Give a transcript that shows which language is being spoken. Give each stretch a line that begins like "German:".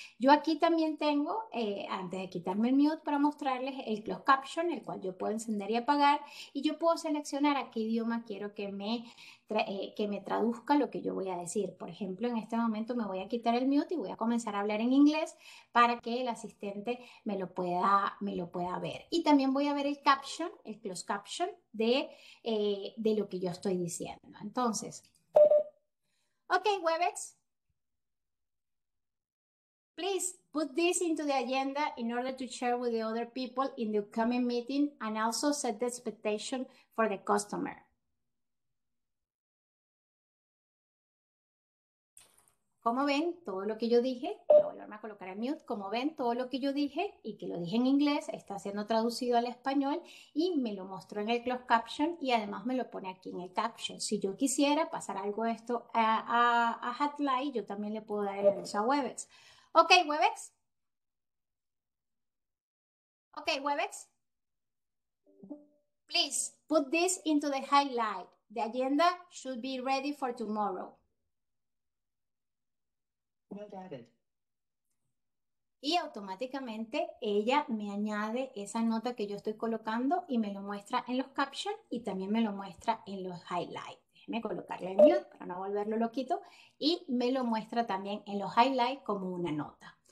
Spanish: Yo aquí también tengo, antes de quitarme el mute para mostrarles, el closed caption, el cual yo puedo encender y apagar, y yo puedo seleccionar a qué idioma quiero que me traduzca lo que yo voy a decir. Por ejemplo, en este momento me voy a quitar el mute y voy a comenzar a hablar en inglés para que el asistente me lo pueda ver. Y también voy a ver el closed caption de lo que yo estoy diciendo.
English: Entonces, ok, Webex, please put this into the agenda in order to share with the other people in the upcoming meeting and also set the expectation for the customer.
Spanish: Como ven, todo lo que yo dije, voy a volverme a colocar en mute, como ven, todo lo que yo dije y que lo dije en inglés está siendo traducido al español y me lo mostró en el closed caption y además me lo pone aquí en el caption. Si yo quisiera pasar algo de esto a Hotline, yo también le puedo dar el derecho a Webex.
English: Ok, Webex. Ok, Webex. Please, put this into the highlight. The agenda should be ready for tomorrow.
Spanish: Y automáticamente ella me añade esa nota que yo estoy colocando y me lo muestra en los captions y también me lo muestra en los highlights. Déjeme colocarle el mute para no volverlo loquito y me lo muestra también en los highlights como una nota.